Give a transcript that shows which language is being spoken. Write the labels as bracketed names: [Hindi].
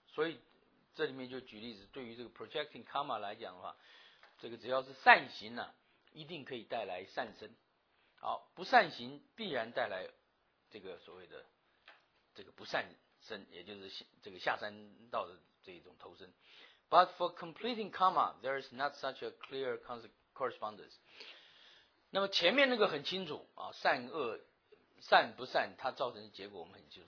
[Chinese] 所以这里面就举例子，对于这个 projecting karma 来讲的话，这个只要是善行呢，一定可以带来善生，好，不善行必然带来这个所谓的这个不善生，也就是这个下三道的这一种投生。 [English] But for completing karma, there is not such a clear correspondence. [Chinese] 那么前面那个很清楚啊，善恶善不善，它造成的结果我们很清楚。